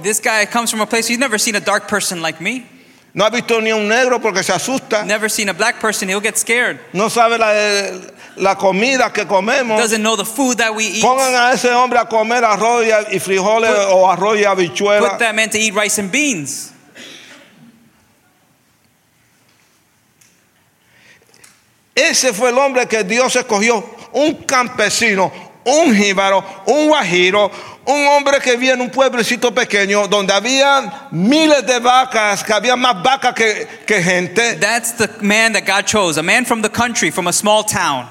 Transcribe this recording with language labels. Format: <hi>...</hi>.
<en>This guy comes from a place he's never seen a dark person like me.</en> <es>No ha visto ni un negro porque se asusta.</es> <en>Never seen a black person, he'll get scared.</en> <es>No sabe la comida que comemos.</es> <en>Doesn't know the food that we eat.</en> <es>Pongan a ese hombre a comer arroz y frijoles o arroz y habichuela.</es> <en>Put that man to eat rice and beans.</en> <es>Ese fue el hombre que Dios escogió, un campesino, un jíbaro, un guajiro, un hombre que vivía en un pueblecito pequeño donde había miles de vacas, que había más vacas que gente.</es> <en>That's the man that God chose, a man from the country, from a small town.</en>